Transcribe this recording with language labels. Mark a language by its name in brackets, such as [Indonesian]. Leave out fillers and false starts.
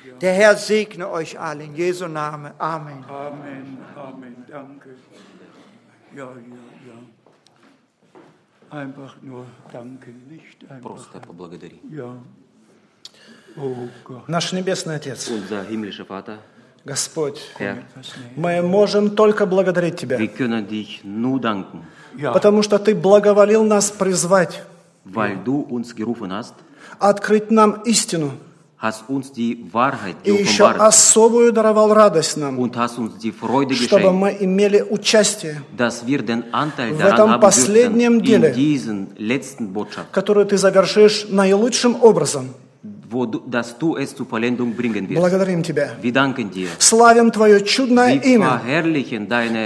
[German] Der Herr segne euch alle in Jesu Namen. Amen. Amen. Amen. Danke. Ja, ja. Einfach nur danke, nicht einfach. [Russian] Просто поблагодари. [German] Ja. Oh Gott. [Russian] Наш небесный отец. [German] Unser himmlischer Vater. [Russian] Господь. [German] Herr, [Russian] мы можем только благодарить тебя. [German] Wir können dich nur danken. Ja. [Russian] Потому что ты благоволил нас призвать. [German] Weil du uns gerufen hast. [Russian] Открыть нам истину. [German] hast uns die Wahrheit geoffenbart und hast uns die Freude geschenkt, dass wir den Anteil daran haben dürfen, in diesem letzten Botschaft, die du [Russian] завершишь наилучшим образом. [German] Wo du, dass du es zur Vollendung bringen wirst. Wir danken dir. [Russian] Славим твое чудное имя. [German] Wir verherrlichen deine